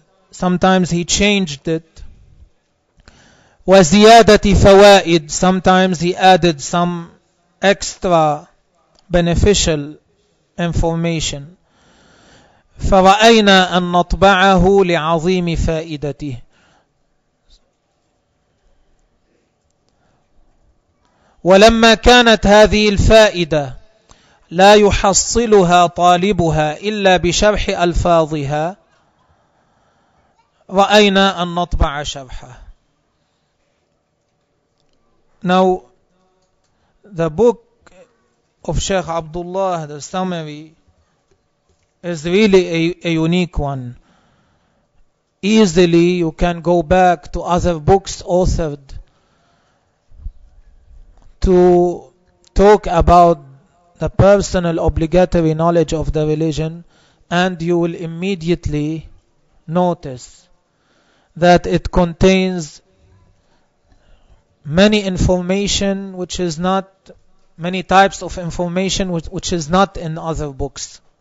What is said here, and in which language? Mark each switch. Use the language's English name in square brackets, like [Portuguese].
[English] Sometimes he changed it. [Arabic] وزيادة فوائد, [English] sometimes he added some extra beneficial information. [Arabic] فرأينا أن نطبعه لعظيم فائدته. ولما كانت هذه الفائدة لا يحصلها طالبها إلا بشرح ألفاظها رأينا أن نطبع شرحه. [English] Now, the book of Sheikh Abdullah, the summary, is really a unique one. Easily, you can go back to other books authored to talk about the personal obligatory knowledge of the religion, and you will immediately notice that it contains many information which is not, many types of information which is not in other books.